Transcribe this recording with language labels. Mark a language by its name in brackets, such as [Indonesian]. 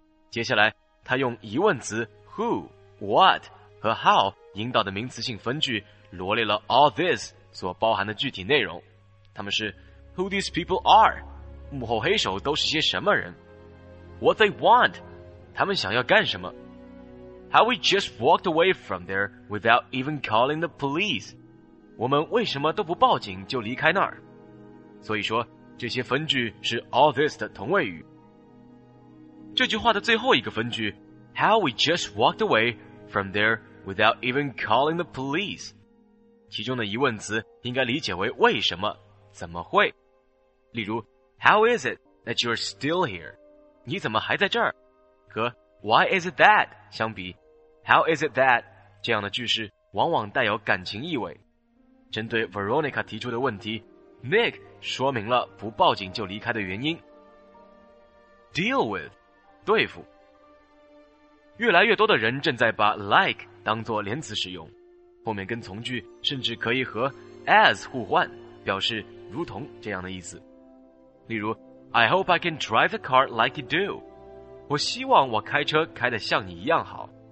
[Chinese] 接下来他用疑问词 Who, what和 how 引导的名词性分句罗列了 all this 所包含的具体内容，他们是 [English] who these people are， [Chinese] 幕后黑手都是些什么人， [English] what they want， [Chinese] 他们想要干什么。 [English] How we just walked away from there without even calling the police. [Chinese] 我们为什么都不报警就离开那儿？所以说，这些分句是 all this 的同位语。这句话的最后一个分句 [English] ,How we just walked away from there without even calling the police. [Chinese] 其中的疑问词应该理解为为什么，怎么会。例如 [English] ,How is it that you're still here? [Chinese] 你怎么还在这儿？和 [English] Why is it that? [Chinese] 相比 [English] How is it that? [Chinese] 这样的句式往往带有感情意味。针对 Veronica 提出的问题 Nick 说明了不报警就离开的原因。 Deal with 对付。越来越多的人正在把 like 当作连词使用，后面跟从句甚至可以和 as 互换，表示如同这样的意思。例如 [English] I hope I can drive the car like you do. [Chinese] 我希望我开车开得像你一样好。